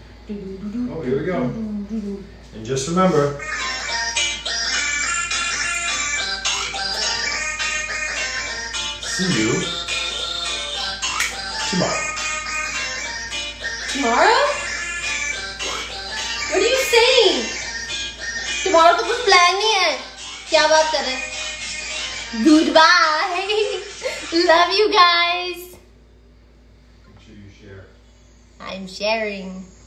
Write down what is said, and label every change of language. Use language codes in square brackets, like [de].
[en] Oh, here we go. And just remember. See you tomorrow. Tomorrow? What are you saying? [hi] Tomorrow तो कुछ plan नहीं है। क्या बात कर रहे? [en] Goodbye. Love you guys. Make sure you share. I'm sharing.